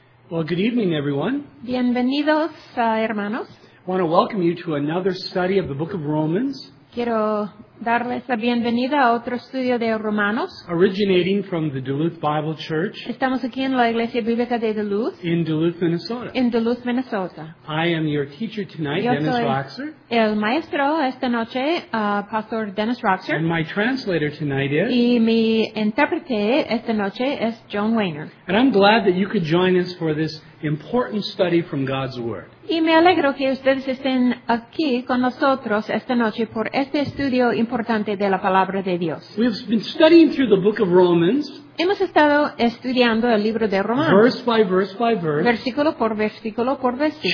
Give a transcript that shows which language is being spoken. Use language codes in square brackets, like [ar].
[en] Well, good evening, everyone. [es] Bienvenidos, hermanos. [en] I want to welcome you to another study of the book of Romans. [es] Quiero darles la bienvenida a otro estudio de Romanos. [en] Originating from the Duluth Bible Church. [es] Estamos aquí en la Iglesia Bíblica de Duluth. [en] In Duluth, Minnesota. In Duluth, Minnesota. I am your teacher tonight, [es] Yo [en] Dennis Roxer. [es] El maestro esta noche, Pastor Dennis Roxer. [en] And my translator tonight is. [es] Y mi intérprete esta noche es John Wayner. [en] And I'm glad that you could join us for this important study from God's Word. [es] Y me alegro que ustedes estén aquí con nosotros esta noche por este estudio importante de la Palabra de Dios. [en] We've been studying through the book of Romans. [es] Hemos estado estudiando el libro de Romanos. [en] Verse by verse by verse. [es] Versículo por versículo por versículo.